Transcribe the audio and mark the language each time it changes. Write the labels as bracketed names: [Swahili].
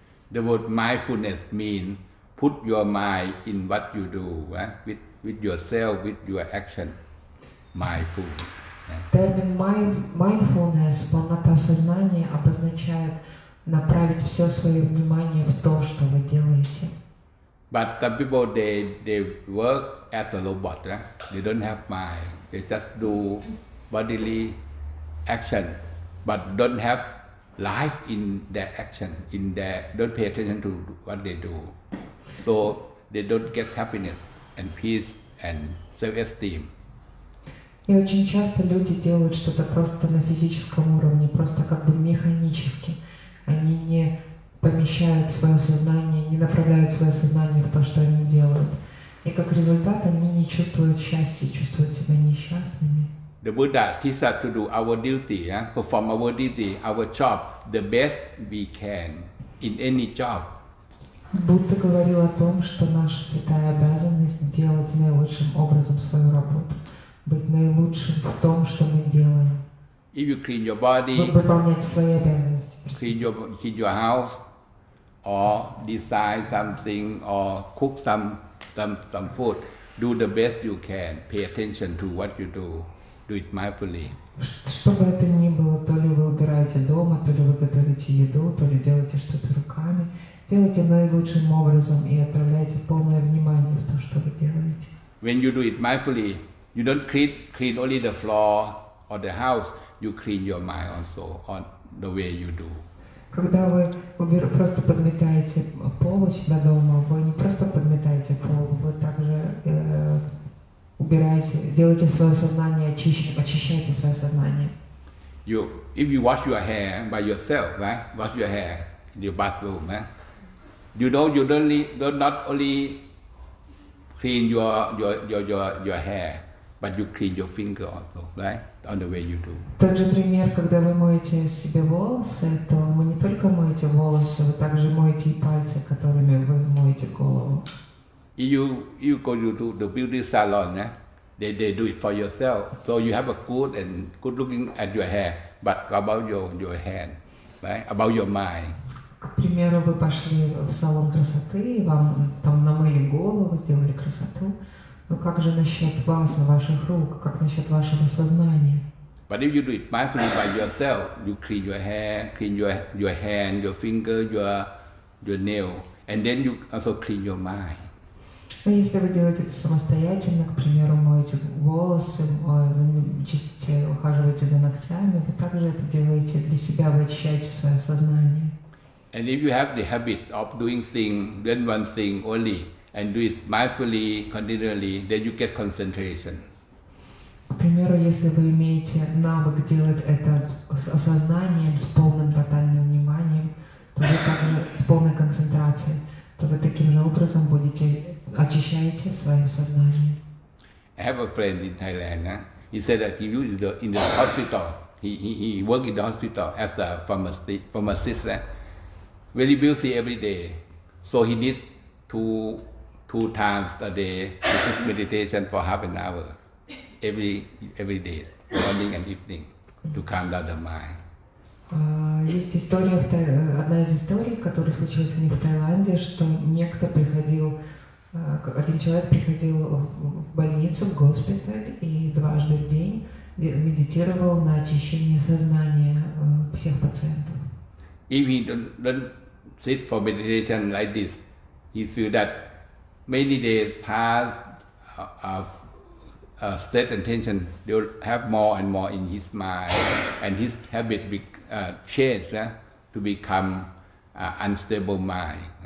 [English] The word mindfulness means put your mind in what you do, with yourself, with your action, mindful. [Russian] Термин mindfulness, полнота сознания, обозначает направить все свое внимание в то, что вы делаете. [English] But some people they work as a robot, they don't have mind, they just do bodily action, but don't have life in their action, in their don't pay attention to what they do. So they don't get happiness and peace and self-esteem. [Russian] И очень часто люди делают что-то просто на физическом уровне, просто как бы механически. Они не помещают свое сознание, не направляют свое сознание в то, что они делают. И как результат, они не чувствуют счастья, чувствуют себя несчастными. [English] The Buddha teaches us to do our duty, perform our duty, our job, the best we can in any job. [Russian] Будда говорил о том, что наша святая обязанность делать наилучшим образом свою работу, быть наилучшим в том, что мы делаем. [English] If you clean your body, [Russian] выполнять свои обязанности. [English] Clean your house, or design something, or cook some some food. Do the best you can. Pay attention to what you do. Do it mindfully. [Russian] Что бы это ни было, то ли вы убираете дома, то ли вы готовите еду, то ли делаете что-то руками. Делайте наилучшим образом и отправляйте полное внимание в то, что вы делаете. [English] When you do it mindfully, you don't clean only the floor or the house. You clean your mind also on the way you do. [Russian] Когда вы просто подметаете пол у себя дома, вы не просто подметаете пол, вы также убираете, делаете свое сознание очищаете свое сознание. [English] You, if you wash your hair by yourself, right? Wash your hair in your bathroom, right? You don't only clean your hair, but you clean your finger also, right? On the way you do. [Russian] Также пример, когда вы моете себе волосы, то вы не только моете волосы, вы также моете и пальцы, которыми вы моете голову. [English] You go to the beauty salon, yeah? They do it for yourself. So you have a good looking at your hair, but about your hand, right? About your mind. [Russian] К примеру, вы пошли в салон красоты, и вам там намыли голову, сделали красоту. Но как же насчет вас, ваших рук? Как насчет вашего сознания? [English] But if you do it mindfully by yourself, you clean your hair, clean your hand, your finger, your nail, and then you also clean your mind. [Russian] Но если вы делаете это самостоятельно, к примеру, моете волосы, чистите, ухаживаете за ногтями, вы также это делаете для себя, вы очищаете свое сознание. [English] And if you have the habit of doing things, then one thing only, and do it mindfully, continually, then you get concentration. [Russian] К примеру, если вы имеете навык делать это с осознанием, с полным тотальным вниманием, то вы также с полной концентрацией, то вы таким же образом будете очищаете свое сознание. [English] I have a friend in Thailand. He said that he was in the hospital. He worked in the hospital as a pharmacist. Very busy every day, so he need two times a day meditation for half an hour every day, morning and evening, to calm down the mind. [Russian] Есть история, одна из историй, которая случилась у них в Таиланде, что некто приходил, один человек приходил в больницу, в госпиталь, и дважды в день медитировал на очищение сознания всех пациентов. [English] If he don't sit for meditation like this, he feel that many days pass of state and tension, they will have more and more in his mind, and his habit change to become unstable mind.